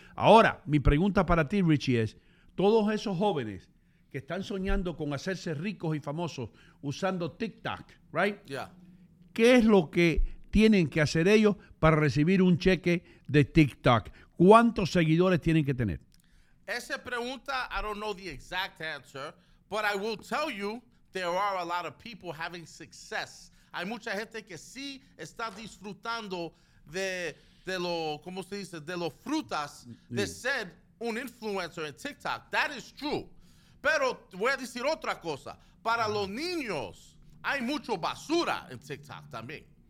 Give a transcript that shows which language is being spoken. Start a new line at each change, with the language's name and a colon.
Spanish: Ahora, mi pregunta para ti, Richie, es todos esos jóvenes que están soñando con hacerse ricos y famosos usando TikTok, right?
English: Yeah.
Spanish: ¿Qué es lo que tienen que hacer ellos para recibir un cheque de TikTok? ¿Cuántos seguidores tienen que tener? Esa pregunta,
English: I don't know the exact answer, but I will tell you there are a lot of people having success.
Spanish: Hay mucha gente que sí está disfrutando de lo, ¿cómo se dice? De los frutas de ser un influencer en TikTok.
English: That is true.
Spanish: Pero voy a decir otra cosa. Para los niños, hay mucho basura en TikTok también.